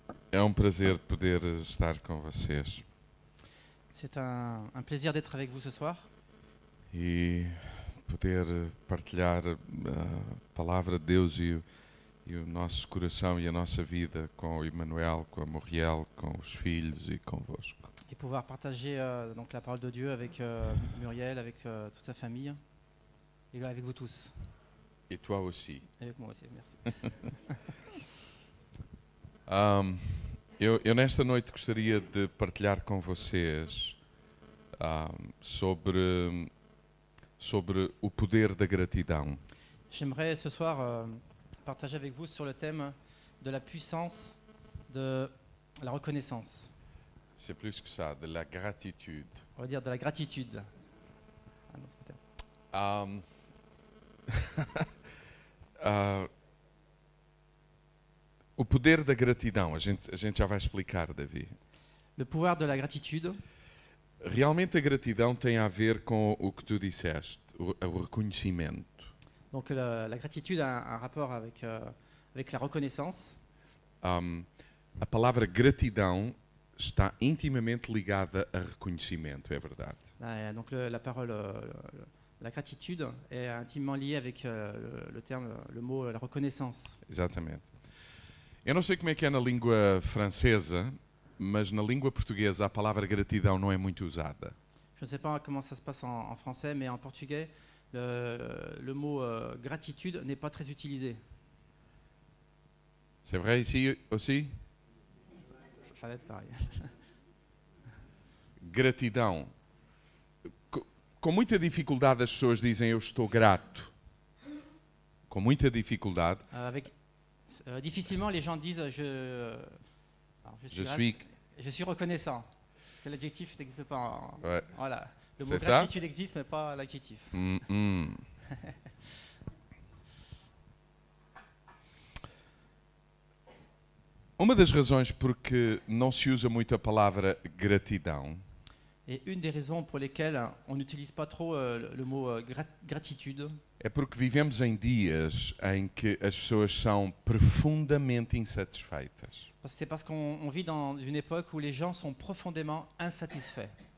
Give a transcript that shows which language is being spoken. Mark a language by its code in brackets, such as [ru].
[pt] É um prazer poder estar com vocês. [fr] C'est un plaisir d'être avec vous ce soir. [pt] E poder partilhar a palavra de Deus e o nosso coração e a nossa vida com o Emmanuel, com a Muriel, com os filhos e convosco. [fr] Et pouvoir partager donc la parole de Dieu avec Muriel, avec toute sa famille et avec vous tous. Et toi aussi. Avec moi aussi, merci. [pt] Eu nesta noite gostaria de partilhar com vocês sobre o poder da gratidão. [fr] J'aimerais ce soir partager avec vous sur le thème de la puissance de la reconnaissance. C'est plus que ça, de la gratitude. On va dire de la gratitude. Un autre thème. [pt] O poder da gratidão, a gente já vai explicar, Davi. [fr] Le pouvoir de la gratitude. [pt] Realmente a gratidão tem a ver com o que tu disseste, o reconhecimento. [fr] Donc la gratitude a un rapport avec la reconnaissance. [pt] A palavra gratidão está intimamente ligada a reconhecimento, é verdade. [fr] Donc la parole la gratitude est intimement liée avec le terme, le mot la reconnaissance. [pt] Exatamente. Eu não sei como é que é na língua francesa, mas na língua portuguesa a palavra gratidão não é muito usada. [fr] Je ne sais pas comment ça se passe en français, mais en portugais, le mot gratitude n'est pas très utilisé. C'est vrai ici aussi? Ça va être pareil. [pt] Gratidão. Com muita dificuldade as pessoas dizem eu estou grato. Com muita dificuldade. [fr] Difficilement les gens disent je suis reconnaissant. Que l'adjectif n'existe pas. Ouais. Voilà. Le mot gratitude existe, mais pas l'adjectif. [pt] Uma das razões porque não se usa muito a palavra gratidão. [fr] Et une des raisons pour lesquelles on n'utilise pas trop le mot gratitude. [pt] É porque vivemos em dias em que as pessoas são profundamente insatisfeitas. [fr] C'est parce qu'on vit dans une époque où les gens sont profondément insatisfaits.